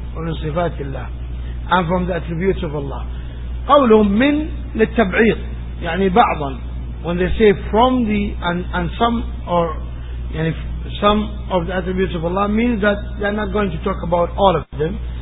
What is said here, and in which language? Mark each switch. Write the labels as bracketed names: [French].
[Arabic] ومن صفات الله [English] and from the attributes of Allah. [Arabic] قولهم من للتبعيض، يعني بعضا. [English] When they say from the and some, or يعني some of the attributes of Allah, means that they are not going to talk about all of them.